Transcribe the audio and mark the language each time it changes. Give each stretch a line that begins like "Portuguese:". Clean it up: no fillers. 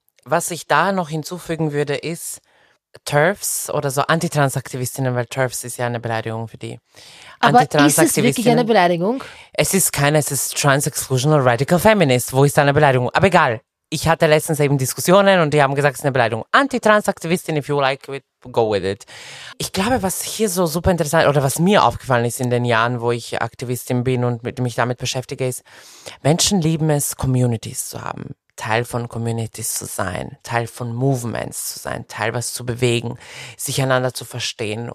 German: Was ich da noch hinzufügen würde, ist TERFs oder so Antitransaktivistinnen, weil TERFs ist ja eine Beleidigung für die. Aber ist es wirklich eine Beleidigung? Es ist keine, es ist Trans-Exclusional Radical Feminist. Wo ist da eine Beleidigung? Aber egal. Ich hatte letztens eben Diskussionen und die haben gesagt, es ist eine Beleidigung.
English: Anti-Trans-Aktivistin, if you like it, go with it.
German: Ich glaube, was hier so super interessant oder was mir aufgefallen ist in den Jahren, wo ich Aktivistin bin und mich damit beschäftige, ist, Menschen lieben es, Communities zu haben, Teil von Communities zu sein, Teil von Movements zu sein, Teil was zu bewegen, sich einander zu verstehen.